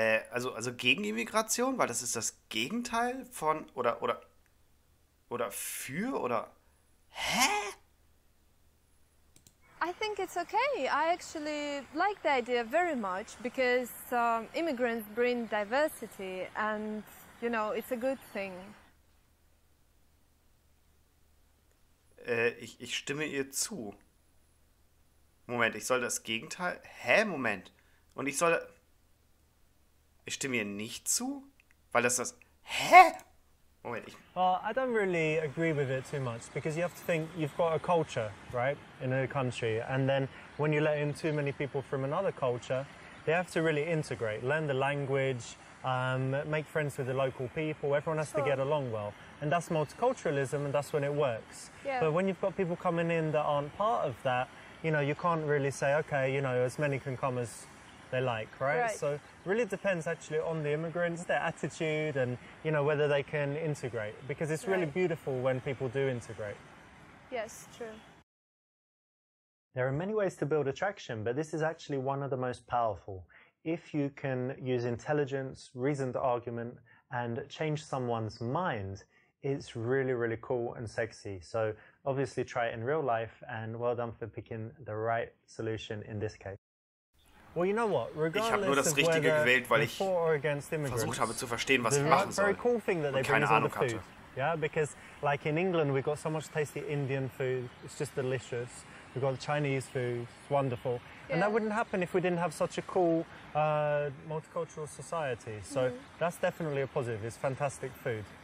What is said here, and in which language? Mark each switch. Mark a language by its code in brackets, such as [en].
[de] Also gegen Immigration, weil das ist das Gegenteil von oder für oder hä? [en] I think it's okay. I actually like the idea very much because immigrants bring diversity and you know it's a good thing. [de] Ich stimme ihr zu. Moment, ich soll das Gegenteil? Hä? Moment. Und ich soll. Ich stimme ihr nicht zu, weil das hä? Moment, ich. [en] Well, I don't really agree with it too much because you have to think you've got a culture, right, in a country, and then when you let in too many people from another culture, they have to really integrate, learn the language, make friends with the local people. Everyone has to get along well, and that's multiculturalism, and that's when it works. Yeah. But when you've got people coming in that aren't part of that, you know, you can't really say, okay, you know, as many can come as they like, right? Right. So really depends actually on the immigrants, their attitude and, you know, whether they can integrate. Because it's really beautiful when people do integrate. Yes, true. There are many ways to build attraction, but this is actually one of the most powerful. If you can use intelligence, reasoned argument and change someone's mind, it's really, really cool and sexy. So obviously try it in real life and well done for picking the right solution in this case. Well, you know what? [de] Ich habe nur das Richtige gewählt, weil ich versucht habe zu verstehen, was ich machen soll. [en] Cool thing, [de] und keine Ahnung hatte. [en] Yeah, because like in England we've got so much tasty Indian food. It's just delicious. We've got Chinese food. It's wonderful. Yeah. And that wouldn't happen if we didn't have such a cool multicultural society. So that's definitely a positive. It's fantastic food.